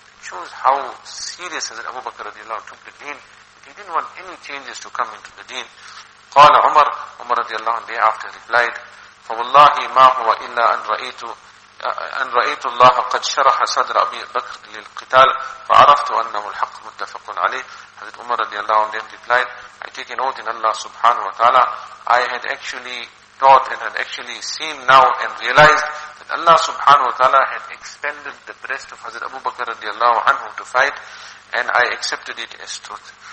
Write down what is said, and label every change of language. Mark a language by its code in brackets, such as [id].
[en] Choose how serious Hazrat Abu Bakr radiallahu anhu took the deen. He didn't want any changes to come into the deen. [ar] Qala Umar, Umar radiallahu anhu, [en] day after replied, [ar] فَوَاللَّهِ مَا هُوَ إِلَّا أَنْ رَأَيْتُ اللَّهَ قَدْ شَرَحَ صَدْرَ أَبِي بَكْرٍ لِلْقِتَالِ فَعَرَفْتُ أَنَّهُ الْحَقُّ مُتَّفَقٌ عَلَيْهِ. [en] Hazrat Umar radiallahu anhu then replied, I take an oath in Allah subhanahu wa ta'ala, I had actually thought and had actually seen now and realized that Allah subhanahu wa ta'ala had expended the breast of Hazrat Abu Bakr radiallahu anhu to fight, and I accepted it as truth.